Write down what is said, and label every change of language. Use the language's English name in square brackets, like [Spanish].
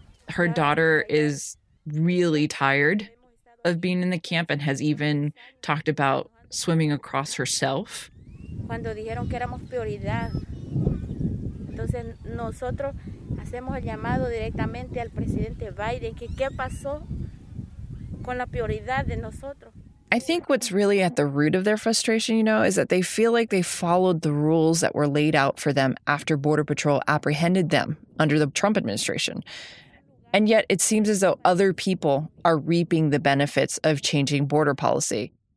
[English] Her daughter is really tired of being in the camp and has even talked about swimming across herself. [Spanish] Cuando dijeron que éramos prioridad, entonces nosotros hacemos el llamado directamente al presidente Biden que qué pasó con la prioridad de nosotros. [English] I think what's really at the root of their frustration, you know, is that they feel like they followed the rules that were laid out for them after Border Patrol apprehended them under the Trump administration. And yet it seems as though other people are reaping the benefits of changing border policy.